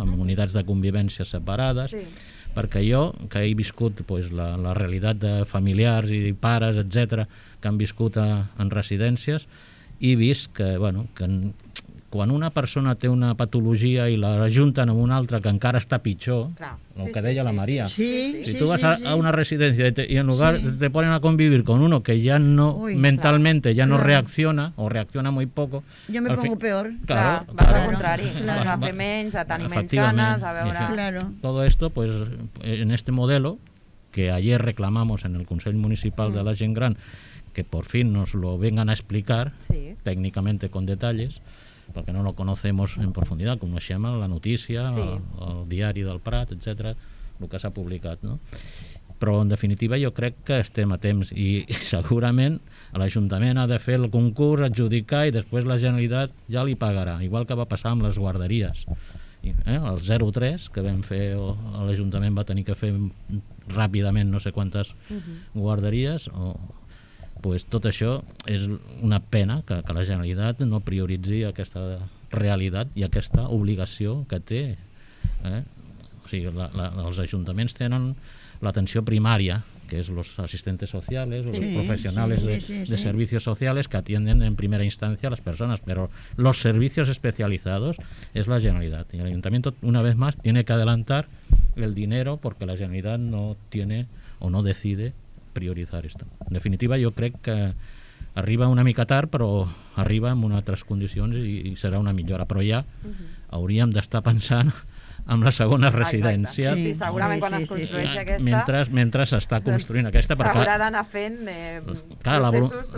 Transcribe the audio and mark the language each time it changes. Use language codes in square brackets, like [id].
[ca] Amb unitats de convivència separades, sí, perquè jo, que he viscut pues, la realitat de familiars i pares, etc., que han viscut en residències, he vist que, bueno, que quan una persona té una patologia i la junten amb una altra que encara està pitjor, [es] claro, [ca] el que deia la Maria. Sí. Tu vas a una residència i [es] en lugar te ponen a convivir con uno que ya no, mentalmente, claro, ya no reacciona, o reacciona muy poco... Yo me pongo peor. [ca] Claro, claro, vas al contrari. Claro. Vas a fer menys, a tenir menys ganes, a veure... [es] Claro. Todo esto, pues, en este modelo, que ayer reclamamos en el Consell Municipal de la Gent Gran, que por fin nos lo vengan a explicar, sí, técnicamente con detalles... [ca] perquè [es] no lo conocemos [ca] en profunditat, coneixem la notícia, sí, el diari del Prat, etc., el que s'ha publicat, no? Però, en definitiva, jo crec que estem a temps, i segurament l'Ajuntament ha de fer el concurs, adjudicar, i després la Generalitat ja li pagarà, igual que va passar amb les guarderies. El 03, que vam fer, l'Ajuntament va tenir que fer ràpidament no sé quantes guarderies, o... Pues tot això és una pena que la Generalitat no prioritzi aquesta realitat i aquesta obligació que té. O sigui, els ajuntaments tenen l'atenció primària, que és [es] los assistentes sociales, sí, los profesionales, sí, sí, de servicios sociales, que atienden en primera instancia a las personas, pero los servicios especializados es la Generalitat. Y el Ayuntamiento, una vez más, tiene que adelantar el dinero porque la Generalitat no tiene o no decide [ca] prioritzar això. En definitiva, jo crec que arriba una mica tard, però arriba en unes altres condicions i serà una millora. Però ja hauríem d'estar pensant amb la segona residència. Sí, sí, segurament quan es construeix aquesta... Mentre s'està construint doncs, aquesta... S'haurà d'anar fent processos...